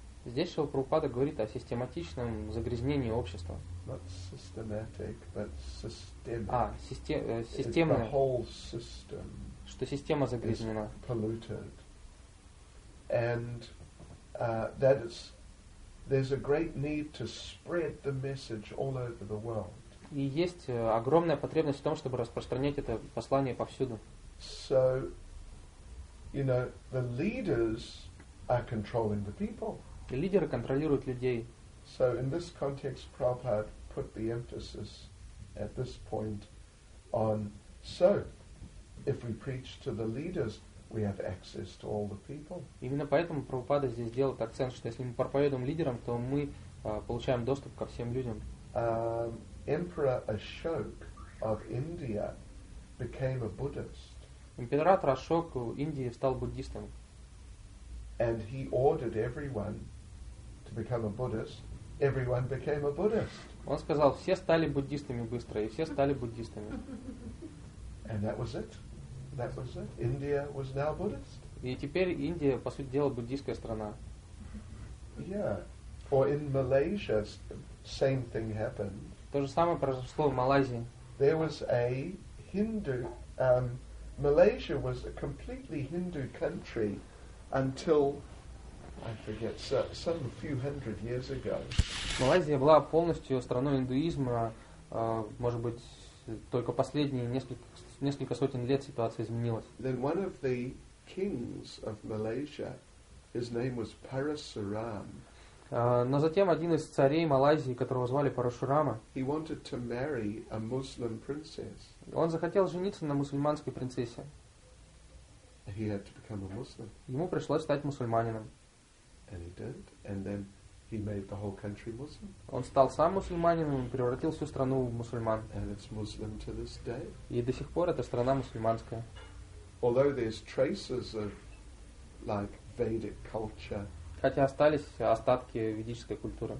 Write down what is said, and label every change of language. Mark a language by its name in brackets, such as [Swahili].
[Russian] Здесь Шрила Прабхупада говорит о систематичном загрязнении общества. [English] Not systematic, but systemic. [Russian] А, системное. [English] The whole system. [Russian] Что система загрязнена. [English] Is polluted. And that is, there's a great need to spread the message all over the world. [Russian] И есть огромная потребность в том, чтобы распространять это послание повсюду. [English] So, you know, the leaders are controlling the people. [Russian] И лидеры контролируют людей. [English] So in this context, Prabhupada put the emphasis at this point on, so if we preach to the leaders, we have access to all the people. [Russian] Именно поэтому Прабхупада здесь делает акцент, что если мы проповедуем лидерам, то мы получаем доступ ко всем людям. [English] Emperor Ashoka of India became a Buddhist. [Russian] Император Ашока Индии стал буддистом. [English] And he ordered everyone to become a Buddhist. Everyone became a Buddhist. [Russian] Он сказал, все стали буддистами быстро, и все стали буддистами. [English] And that was it. That was it. India was now Buddhist. [Russian] И теперь Индия, по сути дела, буддийская страна. [English] Yeah. Or in Malaysia, same thing happened. [Russian] То же самое произошло в Малайзии. [English] There was a Hindu. Malaysia was a completely Hindu country until, I forget, some few hundred years ago. [Russian] Малайзия была полностью страной индуизма, может быть, только последние несколько сотен лет ситуация изменилась. [English] Then one of the kings of Malaysia, his name was Parasuram. [Russian] Но затем один из царей Малайзии, которого звали Парашурама, [English] he wanted to marry a Muslim princess. [Russian] Он захотел жениться на мусульманской принцессе. [English] He had to become a Muslim. [Russian] Ему пришлось стать мусульманином. [English] And he did, and then he made the whole country Muslim. [Russian] Он стал сам мусульманином и превратил всю страну в мусульман. [English] And it's Muslim to this day. [Russian] И до сих пор эта страна мусульманская. [English] Although there's traces of like Vedic culture. [Russian] Хотя остались остатки ведической культуры.